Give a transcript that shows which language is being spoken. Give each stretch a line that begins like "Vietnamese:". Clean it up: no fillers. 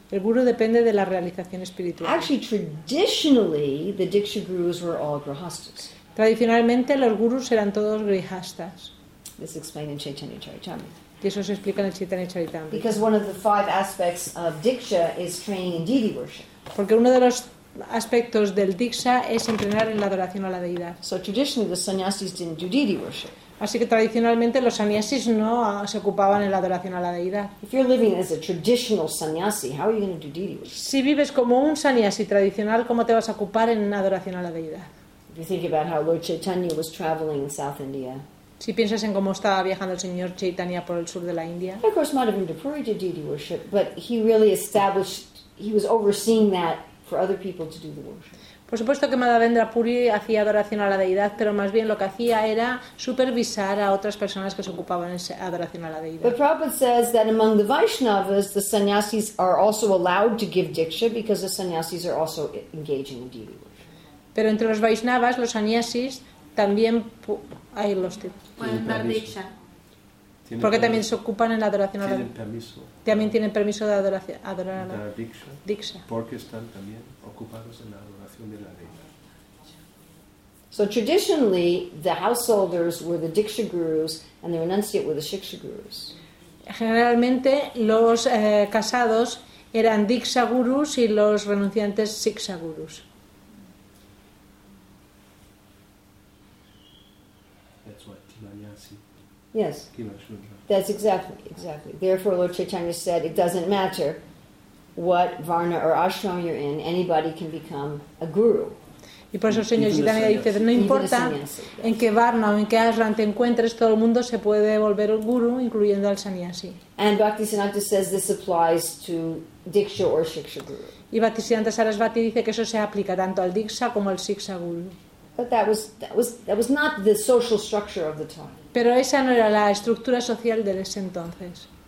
Spanish: El guru depende de la realización espiritual.
English: Actually, traditionally, the Diksha gurus were all grihasthas.
Spanish: Tradicionalmente, los gurus eran todos grihasthas.
English: This is explained in Chaitanya Charitamrita.
Spanish: Y eso se explica en el Chaitanya Charitamrita.
English: Because one of the five aspects of Diksha is training in deity worship.
Spanish: Porque uno de los aspectos del Diksha es entrenar en la adoración a la deidad.
English: So traditionally, the sannyasis didn't do deity worship.
Spanish: Así que tradicionalmente los sannyasis no se ocupaban en la adoración a la deidad.
English: If you're living as a traditional sannyasi, how are you going to do deity worship?
Spanish: Si vives como un sannyasi tradicional, ¿cómo te vas a ocupar en adoración a la deidad?
English: If you think about how Lord Chaitanya was traveling in South India.
Spanish: Si piensas en cómo estaba viajando el señor Chaitanya por el sur de la India.
English: Of course, Madhavendrapuri did deity worship, but he really established, he was overseeing that for other people to do the worship.
Spanish: Por supuesto que Madhavendra Puri hacía adoración a la deidad, pero más bien lo que hacía era supervisar a otras personas que se ocupaban en adoración a la deidad.
English: But Prabhupada says that among the Vaishnavas, the sannyasis are also allowed to give diksha because the sannyasis are also engaging in deity worship.
Spanish: Pero entre los Vaishnavas, los sannyasis también hay los pueden dar diksha. Porque también se ocupan en la adoración a la deidad. Permiso. También tienen permiso de adorar a la diksha. Porque están también ocupados en la adoración de la deidad.
English: So traditionally, the householders were the diksha gurus and the renunciate were the shiksha gurus.
Spanish: Generalmente, los casados eran diksha gurus y los renunciantes shiksha gurus.
English: Yes, that's exactly. Therefore, Lord Chaitanya said, it doesn't matter what varna or ashram you're in, anybody can become a guru.
Spanish: Y por eso el señor Chaitanya dice, no importa en qué varna o en qué ashram te encuentres, todo el mundo se puede volver un guru, incluyendo al sannyasi.
English: And Bhaktisiddhanta says this applies to diksha or shiksha guru.
Spanish: Y Bhaktisiddhanta Sarasvati dice que eso se aplica tanto al diksha como al shiksha guru.
English: But that was not the social structure of the time.
Spanish: Pero esa no era la estructura social de ese entonces.